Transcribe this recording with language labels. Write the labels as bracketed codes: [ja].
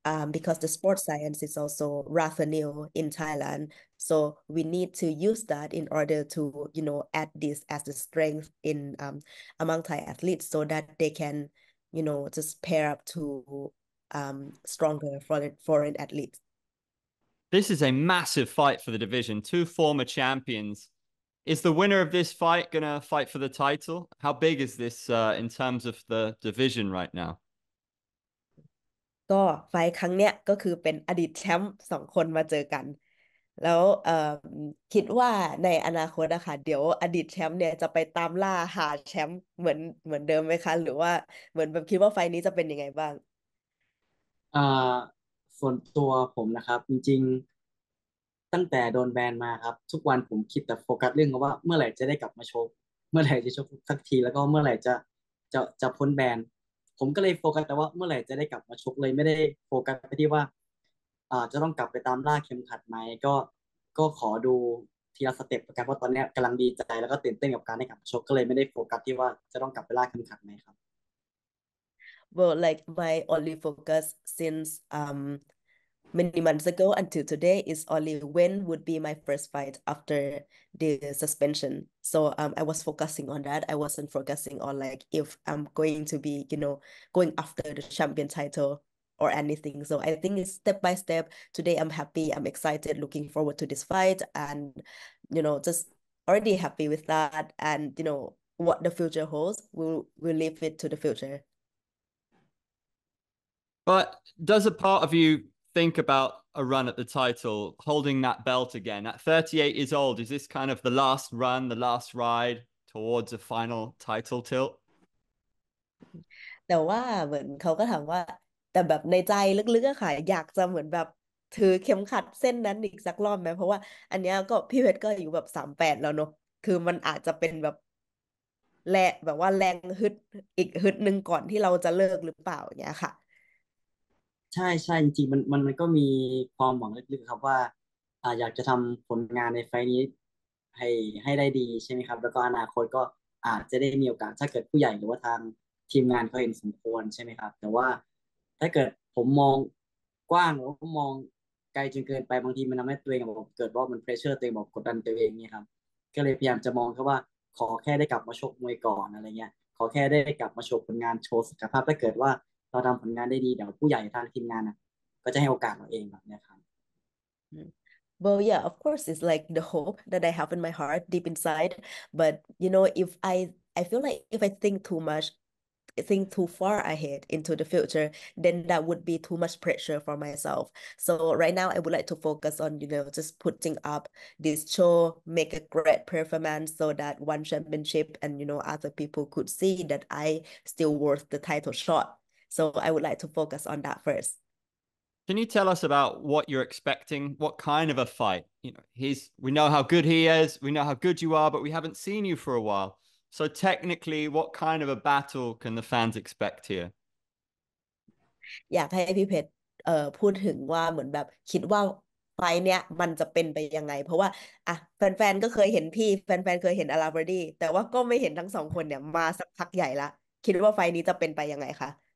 [en] Because the sports science is also rather new in Thailand, so we need to use that in order to you know add this as the strength in among Thai athletes, so that they can you know just pair up to stronger foreign athletes. This is a massive fight for the division. Two former champions. Is the winner of this fight going to fight for the title? How big is this in terms of the division right now? [th] ก็ไฟครั้งเนี้ยก็คือเป็นอดีตแชมป์2 คนมาเจอกันแล้วคิดว่าในอนาคตนะคะเดี๋ยวอดีตแชมป์เนี่ยจะไปตามล่าหาแชมป์เหมือนเดิมไหมคะหรือว่าเหมือนแบบคิดว่าไฟนี้จะเป็นยังไงบ้าง ส่วนตัวผมนะครับจริงๆตั้งแต่โดนแบนมาครับทุกวันผมคิดแต่โฟกัสเรื่องว่าเมื่อไหร่จะได้กลับมาชกเมื่อไหร่จะชกสักทีแล้วก็เมื่อไหร่จะพ้นแบนผมก็เลยโฟกัสแต่ว่าเมื่อไหร่จะได้กลับมาชกเลยไม่ได้โฟกัสไปที่ว่าจะต้องกลับไปตามล่าเข็มขัดไหมก็ขอดูทีละสเต็ปกันเพราะตอนนี้กำลังดีใจแล้วก็ตื่นเต้นกับการได้กลับมาชกก็เลยไม่ได้โฟกัสที่ว่าจะต้องกลับไปล่าเข็มขัดไหมครับ [en] Well, like my only focus since many months ago until today is only when would be my first fight after the suspension. So I was focusing on that. I wasn't focusing on like if I'm going to be, you know, going after the champion title or anything. So I think it's step by step. Today I'm happy, I'm excited, looking forward to this fight, and you know, just already happy with that. And you know, what the future holds, we'll leave it to the future. But does a part of you think about a run at the title, holding that belt again? At 38 years old, is this kind of the last run, the last ride towards a final title tilt? [th] แต่ว่าเหมือนเขาก็ถามว่าแต่แบบในใจลึกๆอะค่ะอยากจะเหมือนแบบถือเข็มขัดเส้นนั้นอีกสักรอบไหมเพราะว่าอันเนี้ยก็พี่เพชรก็อยู่แบบ38แล้วเนาะคือมันอาจจะเป็นแบบแรงแบบว่าแรงฮึดอีกฮึดหนึ่งก่อนที่เราจะเลิกหรือเปล่าเนี้ยค่ะ ใช่ใช่จริงๆมันก็มีความหวังลึกๆครับว่าอยากจะทําผลงานในไฟนี้ให้ได้ดีใช่ไหมครับแล้วก็อนาคตก็อาจจะได้มีโอกาสถ้าเกิดผู้ใหญ่หรือว่าทางทีมงานเขาเห็นสมควรใช่ไหมครับแต่ว่า ถ้าเกิดผมมองกว้างหรือว่ามองไกลจนเกินไปบางทีมันทำให้ตัวเองบอกเกิดว่ามันเพรสเชอร์ตัวเองบอกกดดันตัวเองเนี่ยครับก็เลยพยายามจะมองแค่ว่าขอแค่ได้กลับมาชกมวยก่อนอะไรเงี้ยขอแค่ได้กลับมาโชว์ผลงานโชว์ศักยภาพถ้าเกิดว่าเราทำผลงานได้ดีเดี๋ยวผู้ใหญ่ทางทีมงานนะก็จะให้โอกาสเราเองแบบนี้ครับ [en] Well, yeah, of course, it's like the hope that I have in my heart deep inside. But you know, if I feel like if I think too much, think too far ahead into the future, then that would be too much pressure for myself. So right now, I would like to focus on, you know, just putting up this show, make a great performance so that one championship and, you know, other people could see that I still worth the title shot. So I would like to focus on that first. Can you tell us about what you're expecting? What kind of a fight? You know, we know how good he is, we know how good you are, but we haven't seen you for a while. So technically, what kind of a battle can the fans expect here? [th] อยากให้พี่เพชรพูดถึงว่าเหมือนแบบคิดว่าไฟเนี้ยมันจะเป็นไปยังไงเพราะว่าอ่ะแฟนๆก็เคยเห็นพี่แฟนๆเคยเห็นอลาเบอร์ดี้แต่ว่าก็ไม่เห็นทั้งสองคนเนี่ยมาสักพักใหญ่ละคิดว่าไฟนี้จะเป็นไปยังไงคะ